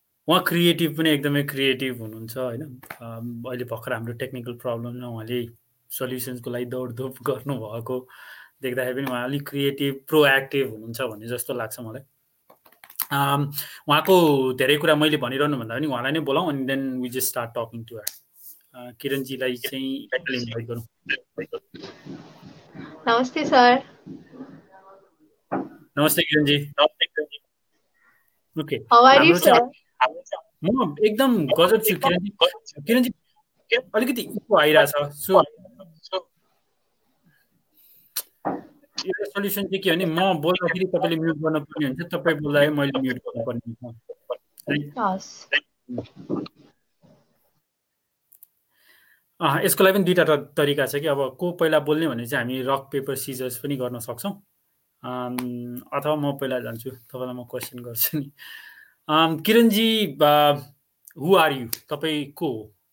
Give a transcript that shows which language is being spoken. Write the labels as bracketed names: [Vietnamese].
[Nepali] उहाँ क्रिएटिभ पनि एकदमै क्रिएटिभ हुनुहुन्छ, होइन? अहिले भर्खर हाम्रो टेक्निकल प्रब्लममा उहाँले सल्युसन्सको लागि दौडधुप गर्नुभएको देख्दाखेरि पनि उहाँ अलिक क्रिएटिभ प्रोएक्टिभ हुनुहुन्छ भन्ने जस्तो लाग्छ मलाई। उहाँको धेरै कुरा मैले भनिरहनु भन्दा पनि उहाँलाई नै बोलाउँ, अनि [English] Then we just start talking to her. [Nepali] किरणजीलाई चाहिँ एकचोटि इन्भाइट गरौँ। नमस्ते सर। नमस्ते किरणजी। ओके, म एकदम गजब छु किरणजी। किरणजी अलिकति इको आइरहेछ, सो सल्युसन चाहिँ के भने, म बोल्दाखेरि तपाईँले म्युट गर्नुपर्ने हुन्छ, तपाईँ बोल्दाखेरि मैले म्युट गर्नुपर्ने हुन्छ। यसको लागि पनि दुईवटा तरिका छ कि अब को पहिला बोल्ने भने चाहिँ हामी रक पेपर सिजर्स पनि गर्न सक्छौँ, अथवा म पहिला जान्छु, तपाईँलाई म क्वेसन गर्छु नि। किरणजी, [English] who are you, [Nepali] तपाईँ को हो?